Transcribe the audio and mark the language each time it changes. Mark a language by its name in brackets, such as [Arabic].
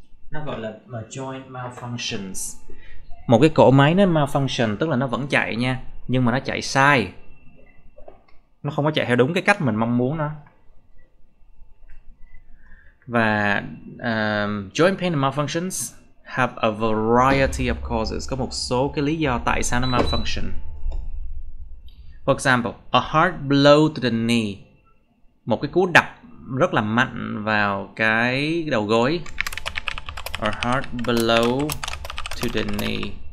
[Vietnamese] Nó gọi là joint malfunctions. Một cái cỗ máy nó malfunction tức là nó vẫn chạy nha, nhưng mà nó chạy sai. Nó không có chạy theo đúng cái cách mình mong muốn nó. [English] Và joint pain and malfunctions have a variety of causes. [Vietnamese] Có một số cái lý do tại sao nó malfunction. [English] For example, a hard blow to the knee. [Vietnamese] Một cái cú đập rất là mạnh vào cái đầu gối. [English] A hard blow to the knee.